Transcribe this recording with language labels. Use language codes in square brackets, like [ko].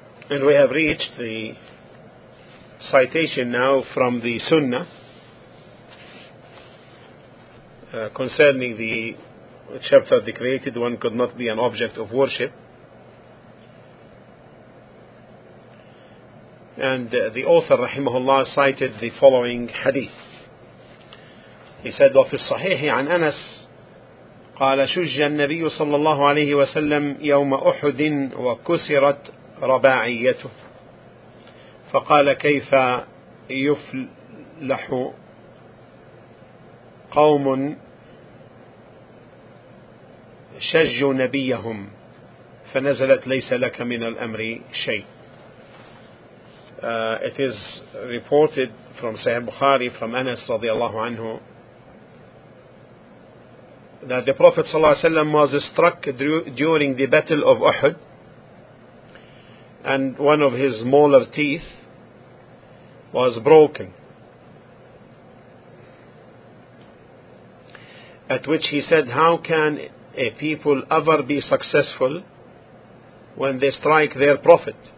[en] And we have reached the citation now from the Sunnah concerning the chapter, the created one could not be an object of worship. And the author, rahimahullah, cited the following hadith. He said, [ar] وفي الصحيح عن أنس قال شج النبي صلى الله عليه وسلم يوم أحد وكسرت رباعيته فقال كيف يفلح قوم شجوا نبيهم فنزلت ليس لك من الأمر شيء. [en] It is reported from Sahih Bukhari, from Anas radiallahu anhu, that the Prophet sallallahu alaihi wasallam was struck during the battle of Uhud, and one of his molar teeth was broken, at which he said, how can a people ever be successful when they strike their Prophet?